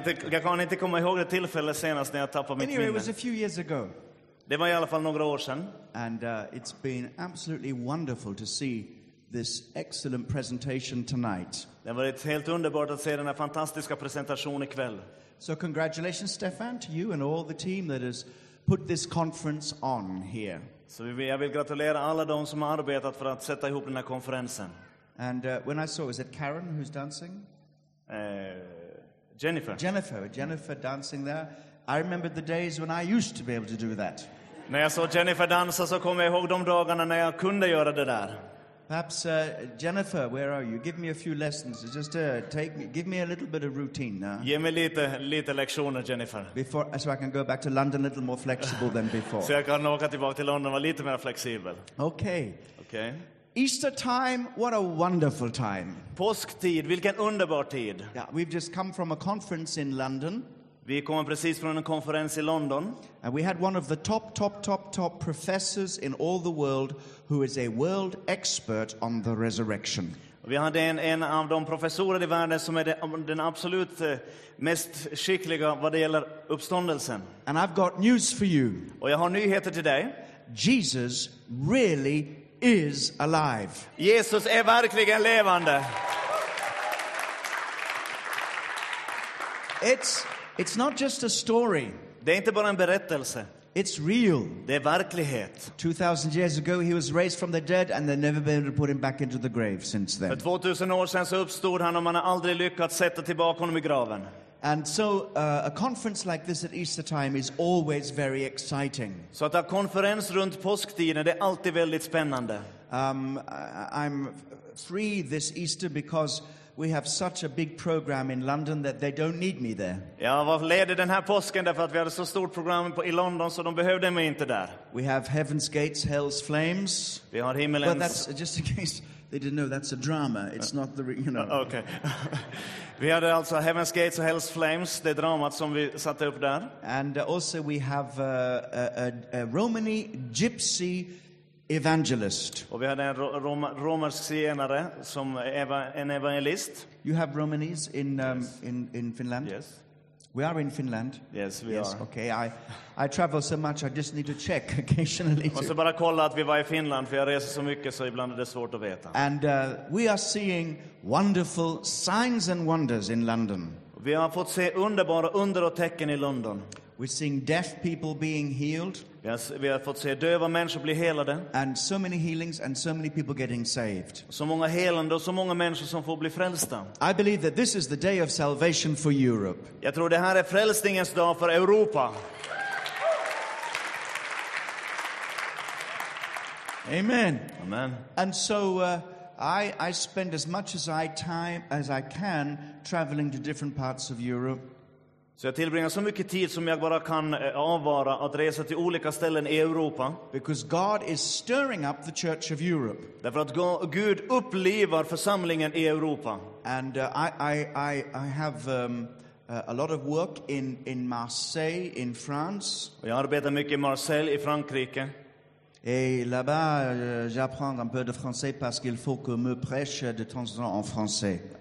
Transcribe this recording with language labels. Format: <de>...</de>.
<sv>Jag kan inte komma ihåg det tillfället senast när jag tappade mitt minne.</sv> <en>Anyway, it was a few years ago.</en> <sv>Det var i alla fall några år sedan.</sv> <en>And it's been absolutely wonderful to see this excellent presentation tonight.</en> <sv>Det var helt underbart att se den här fantastiska presentationen ikväll.</sv> <en>So congratulations, Stefan, to you and all the team that has put this conference on here.</en> <sv>Så jag vill gratulera alla de som har arbetat för att sätta ihop den här konferensen.</sv> <en>And when I saw, is it Karen who's dancing? Jennifer. Jennifer dancing there. I remember the days when I used to be able to do that.</en> <sv>När jag såg Jennifer dansa så kom jag ihåg de dagarna när jag kunde göra det där.</sv> <en>Perhaps Jennifer, where are you? Give me a few lessons. Just give me a little bit of routine now.</en> <sv>Ge mig lite lektioner, Jennifer.</sv> <en>Before, so I can go back to London a little more flexible than before.</en> <sv>Så jag kan åka tillbaka till London och vara lite mer flexibel.</sv> <en>Okay. Easter time, what a wonderful time.</en> <sv>Påsktid, vilken underbar tid.</sv> <en>Yeah, we've just come from a conference in London.</en> <sv>Vi kom precis från en konferens i London.</sv> <en>And we had one of the top professors in all the world who is a world expert on the resurrection.</en> <sv>Vi hade en av de professorer i världen som är den absolut mest skickliga vad det gäller uppståndelsen.</sv> <en>And I've got news for you.</en> <sv>Och jag har nyheter till dig.</sv> <en>Jesus really is alive.</en> <sv>Jesus är verkligen levande.</sv> <en>It's not just a story.</en> <sv>Det är inte bara en berättelse.</sv> <en>It's real.</en> <sv>Det är verklighet.</sv> <en>2000 years ago he was raised from the dead and they've never been able to put him back into the grave since then.</en> <sv>För 2000 år sedan så uppstod han och man har aldrig lyckats sätta tillbaka honom i graven.</sv> <en>And so a conference like this at Easter time is always very exciting.</en> <sv>Så att ha konferens runt påsktiden, det är alltid väldigt spännande.</sv> <en>I'm free this Easter because we have such a big program in London that they don't need me there.</en> <sv>Ja, var ledig den här påsken därför att vi hade så stort program i London så de behövde mig inte där.</sv> <en>We have Heaven's Gates, Hell's Flames.</en> <sv>Vi har himmelens.</sv> <en>But that's just in case they didn't know that's a drama. It's not the, you know. Okay.</en> <sv>Vi hade alltså Heaven's Gates och Hell's Flames, det dramat som vi satte upp där.</sv> <en>And also we have a Romani gypsy evangelist.</en> <sv>Och vi hade en romersk senare som en evangelist.</sv> <en>You have Romanies in Finland? Yes. We are in Finland. Yes, we yes, are. Okay, I travel so much, I just need to check occasionally.</en> <sv>Måste bara kolla att vi var i Finland, för jag reser så mycket så ibland är det svårt att veta.</sv> <en>And we are seeing wonderful signs and wonders in London.</en> <sv>Vi har fått se underbara under och tecken i London.</sv> <en>We're seeing deaf people being healed.</en> <sv>Yes, vi har fått se döva människor bli helade.</sv> <en>And so many healings and so many people getting saved.</en> <sv>Så många helande och så många människor som får bli frälsta.</sv> <en>I believe that this is the day of salvation for Europe.</en> <sv>Jag tror det här är frälsningens dag för Europa.</sv> <en>Amen.</en> <sv>Amen.</sv> <en>And so I spend as much as I can traveling to different parts of Europe.</en> <sv>Så jag tillbringar så mycket tid som jag bara kan avvara att resa till olika ställen i Europa.</sv> <en>Because God is stirring up the Church of Europe.</en> <sv>Därför att Gud upplivar församlingen i Europa.</sv> <en>And I have a lot of work in Marseille in France.</en> <sv>Och jag arbetar mycket i Marseille i Frankrike.</sv> <fr>Et là-bas, j'apprends un peu de français parce qu'il faut que me prêche de temps en temps en français.</fr>